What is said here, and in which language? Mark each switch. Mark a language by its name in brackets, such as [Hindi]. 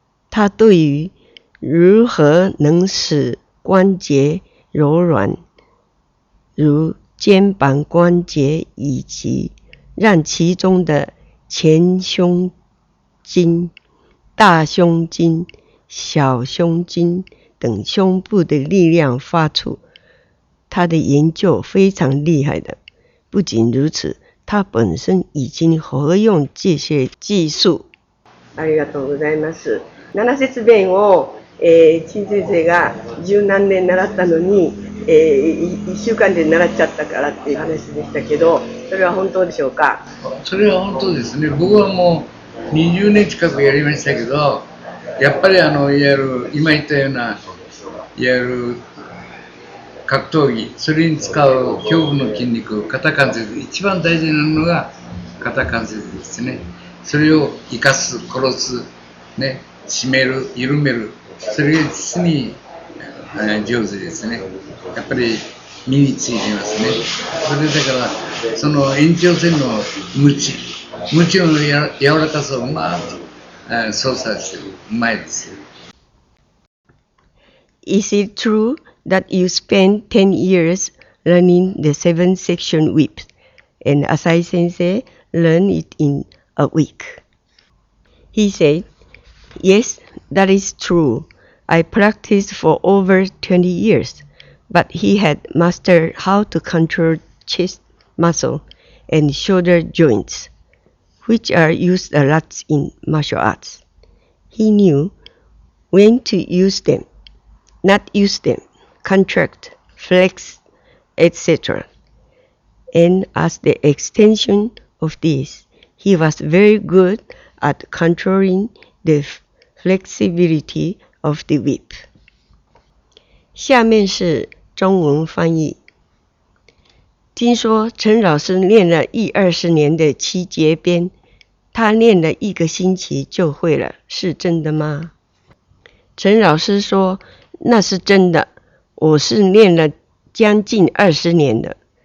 [Chinese] 他对于如何能使关节柔软，如肩膀关节以及让其中的前胸筋、大胸筋、小胸筋等胸部的力量发出，他的研究非常厉害的。不仅如此，他本身已经活用这些技术。 [Japanese] ありがとうございます。七節弁を陳先生が十何年習ったのに、一週間で習っちゃったからっていう話でしたけど、それは本当でしょうか？それは本当ですね。僕はもう20年近くやりましたけど、やっぱりいわゆる今言ったような、いわゆる格闘技、それに使う胸部の筋肉、肩関節、一番大事なのが肩関節ですね。それを生かす、殺す、ね、締める、緩める、それが実に上手ですね。やっぱり身についてますね。それだからその延長線のムチの柔らかさをまあ操作してうまいですよ。 [English] Is it true that you spent 10 years learning the 7 section whip and Asai sensei learned it in a week? He said, Yes, that is true. I practiced for over 20 years, but he had mastered how to control chest muscle and shoulder joints, which are used a lot in martial arts. He knew when to use them, not use them, contract, flex, etc. And as the extension of this, he was very good at controlling the flexibility of the whip. [Chinese] 下面是中文翻译。听说陈老师练了一二十年的七节鞭，他练了一个星期就会了，是真的吗？陈老师说，那是真的，我是练了将近二十年的。